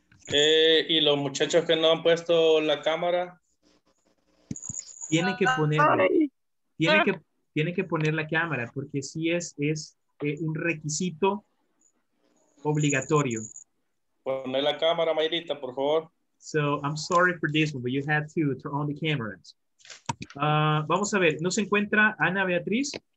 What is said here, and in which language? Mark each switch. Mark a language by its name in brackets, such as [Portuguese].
[Spanish] Y los muchachos que no han puesto la cámara. Tiene que ponerla. Tiene que poner la cámara porque sí es un requisito obligatorio. Poner la cámara, Mayrita, por favor. [English] So, I'm sorry for this one, but you had to turn on the cameras. [Spanish] Vamos a ver, ¿no se encuentra Ana Beatriz?